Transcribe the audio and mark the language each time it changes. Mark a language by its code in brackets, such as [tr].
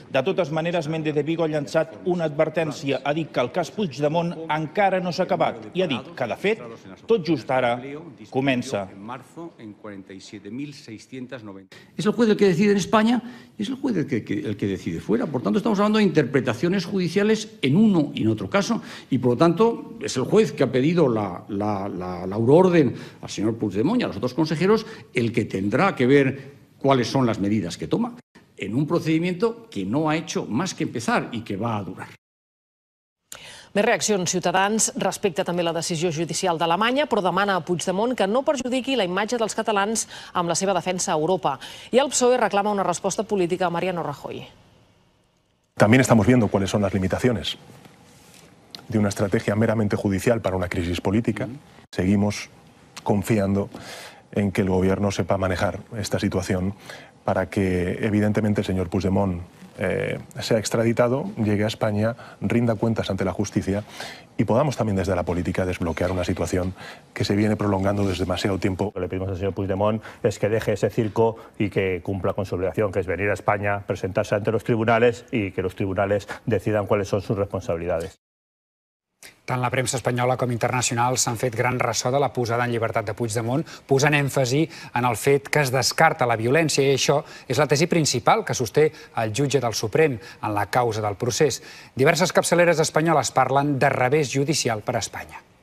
[ca] De totes maneres, Méndez de Vigo ha llançat una advertència, ha dit que el cas Puigdemont encara no s'ha acabat i ha dit que, de fet, tot just ara comença. [es] És el juez el que decide en Espanya i és el juez el que decide fuera. Por tanto, estamos hablando de interpretaciones judiciales en uno y en otro caso y, por lo tanto, es el juez que ha pedido la euroorden al señor Puigdemont y a los otros consejeros el que tendrá que ver cuáles son las medidas que toma en un procedimiento que no ha hecho más que empezar y que va a durar. [ca] Més reaccions ciutadans respecte també la decisió judicial d'Alemanya, però demana a Puigdemont que no perjudiqui la imatge dels catalans amb la seva defensa a Europa. I el PSOE reclama una resposta política a Mariano Rajoy. [es] También estamos viendo cuáles son las limitaciones de una estrategia meramente judicial para una crisis política. Seguimos confiando en que el gobierno sepa manejar esta situación para que, evidentemente, el señor Puigdemont sea extraditado, llegue a España, rinda cuentas ante la justicia y podamos también desde la política desbloquear una situación que se viene prolongando desde demasiado tiempo. Lo que le pedimos al señor Puigdemont es que deje ese circo y que cumpla con su obligación, que es venir a España, presentarse ante los tribunales y que los tribunales decidan cuáles son sus responsabilidades. [ca] Tant la premsa espanyola com internacional s'han fet gran ressò de la posada en llibertat de Puigdemont, posant èmfasi en el fet que es descarta la violència, i això és la tesi principal que sosté el jutge del Suprem en la causa del procés. Diverses capçaleres espanyoles parlen de revés judicial per a Espanya.